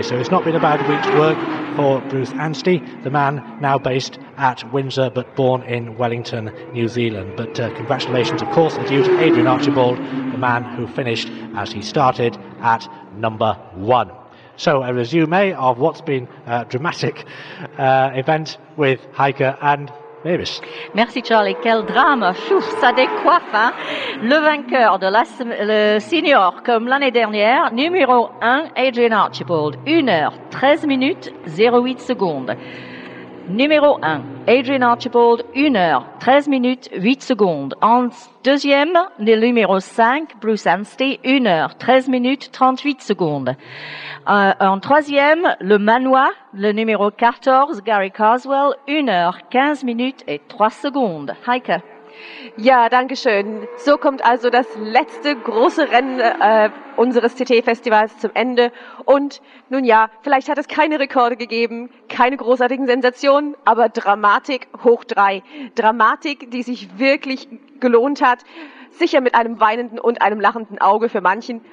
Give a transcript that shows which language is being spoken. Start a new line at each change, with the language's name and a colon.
English: So it's not been a bad week's work for Bruce Anstey, the man now based at Windsor but born in Wellington, New Zealand. But congratulations, of course, are due to Adrian Archibald, the man who finished as he started at number one. So a resume of what's been a dramatic event with Heike and Mavis.
French: Merci Charlie, quel drame, chouf, ça décoiffe, hein? Le vainqueur de la le senior comme l'année dernière, numéro 1, Adrian Archibald, 1h, 13 minutes, 08 secondes. Numéro 1, Adrian Archibald, 1h, 13 minutes, 8 secondes. En deuxième, le numéro 5, Bruce Anstey, 1h, 13 minutes, 38 secondes. En troisième, le Manois, le numéro 14, Gary Carswell, 1h, 15 minutes et 3 secondes. Heike.
German: Ja, danke schön. So kommt also das letzte große Rennen unseres TT-Festivals zum Ende. Und nun ja, vielleicht hat es keine Rekorde gegeben, keine großartigen Sensationen, aber Dramatik hoch drei. Dramatik, die sich wirklich gelohnt hat. Sicher mit einem weinenden und einem lachenden Auge für manchen.